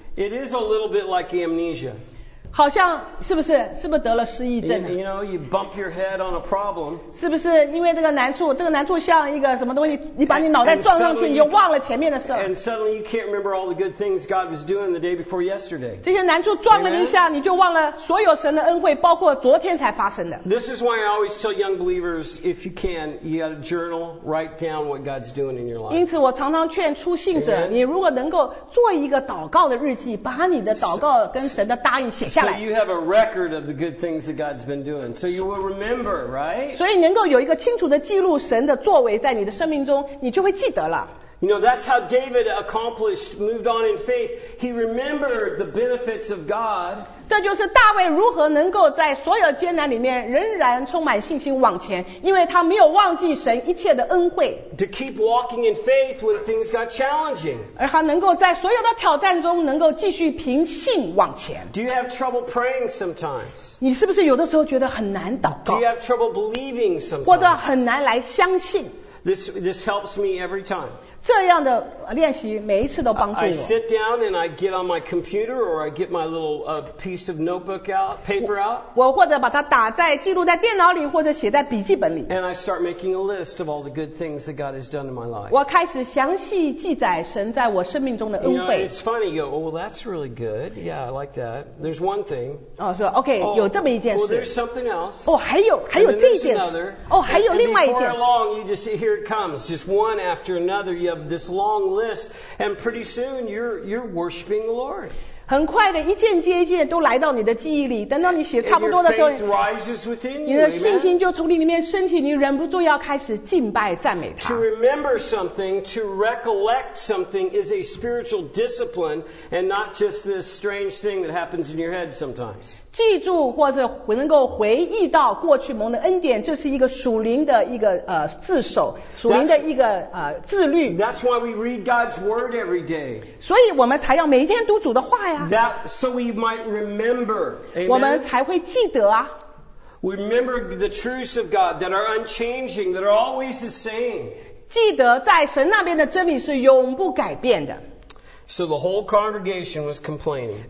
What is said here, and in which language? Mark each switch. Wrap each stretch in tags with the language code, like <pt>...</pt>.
<en>It is a little bit like amnesia</en> <zh>好像是不是是不是得了失忆症</zh> <en>you know, you bump your head on a problem,</en> <zh>是不是因为这个难处像一个什么东西你把你脑袋撞上去</zh> <en>and</en> <zh>你就忘了前面的事</zh> <en>and suddenly you can't remember all the good things God was doing the day before yesterday</en> <zh>这些难处撞了你一下 你就忘了所有神的恩惠包括昨天才发生的</zh> <en>this is why I always tell young believers if you can you got a journal write down what God's doing in your life</en> <zh>因此我常常劝初信者 你如果能够做一个祷告的日记把你的祷告跟神的答应写下</zh> <en>So you have a record of the good things that God's been doing. So you will remember, right?</en> <zh>所以能够有一个清楚的记录神的作为在你的生命中，你就会记得了。</zh> <en>You know, that's how David accomplished, moved on in faith. He remembered the benefits of God.</en> <zh>这就是大卫如何能够在所有艰难里面仍然充满信心往前，因为他没有忘记神一切的恩惠。</zh> <en>To keep walking in faith when things got challenging.</en> <zh>而他能够在所有的挑战中能够继续凭信往前。</zh> <en>Do you have trouble praying sometimes?</en> <zh>你是不是有的时候觉得很难祷告？</zh> <en>Do you have trouble believing sometimes?</en> <zh>或者很难来相信？</zh> <en>This helps me every time.</en> <zh>这样的练习每一次都帮助我。</zh> <en>I sit down and I get on my computer or I get my little piece of notebook out, paper out.</en> <zh>我或者把它打在记录在电脑里或者写在笔记本里。</zh> <en>And I start making a list of all the good things that God has done in my life.</en> <zh>我开始详细记载神在我生命中的恩惠。</zh> <en>You know, it's funny, you go, oh, well, that's really good. Yeah, I like that. There's one thing.</en> <zh>哦，是 OK, 有这么一件事。</zh> <en>Well, there's something else.</en> <zh>哦，还有这一件事。哦，还有另外一件事。</zh> <en>And before long, you just see, here it comes. Just one after another, you have this long list and pretty soon you're worshiping the Lord</en> <zh>很快的一件接一件都来到你的记忆里，等到你写差不多的时候，</zh> <en>you,</en> <zh>你的信心就从你里面升起，你忍不住要开始敬拜赞美他。</zh> <en>To remember something, to recollect something is a spiritual discipline and not just this strange thing that happens in your head sometimes.</en> <zh>记住或者能够回忆到过去蒙的恩典，这是一个属灵的一个自守，属灵的一个自律。</zh> <en>That's why we read God's word every day.</en> <zh>所以我们才要每一天读主的话。</zh> <en>That, so we might remember, amen?</en> <zh>我们才会记得啊。</zh> <en>We remember the truths of God that are unchanging, that are always the same.</en> <zh>记得在神那边的真理是永不改变的。</zh> <en>So the whole congregation was complaining.</en>